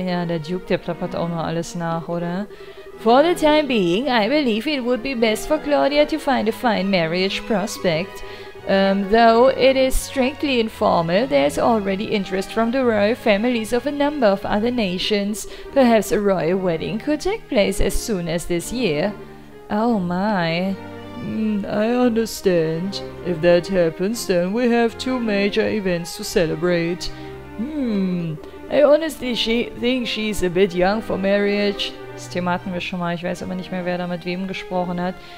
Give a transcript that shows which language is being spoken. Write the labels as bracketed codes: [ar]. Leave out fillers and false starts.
[de] Ja, der Duke, der plappert auch noch alles nach, oder? [en] For the time being, I believe it would be best for Claudia to find a fine marriage prospect. Though it is strictly informal, there's already interest from the royal families of a number of other nations. Perhaps a royal wedding could take place as soon as this year. Oh my. I understand. If that happens, then we have two major events to celebrate. I honestly think she's a bit young for marriage. [de] Das Thema hatten wir schon mal, ich weiß aber nicht mehr, wer da mit wem gesprochen hat.